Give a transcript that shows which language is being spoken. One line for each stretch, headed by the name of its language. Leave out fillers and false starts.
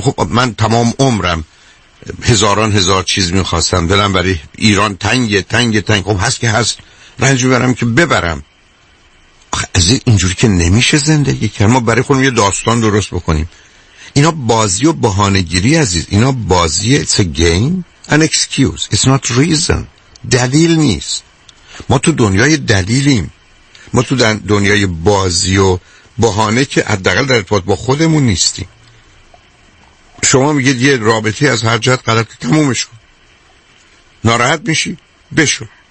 Persian: خب من تمام عمرم هزاران هزار چیز میخواستم، دلم برای ایران تنگ. خب هست که هست، رنج ببرم که ببرم. آخه از اینجوری که نمیشه زندگی کرد. ما برای خودمون یه داستان درست بکنیم. اینا بازی و بهانه گیری عزیز، اینا بازی.
English: It's a game an excuse, it's not reason.
Persian: دلیل نیست. ما تو دنیای دلیلیم، ما تو دنیای بازی و بهانه که حداقل در ارتباط با خودمون نیستیم. شما میگید یه رابطه از هر جهت غلط، تمومش کن. ناراحت میشی؟ بشو.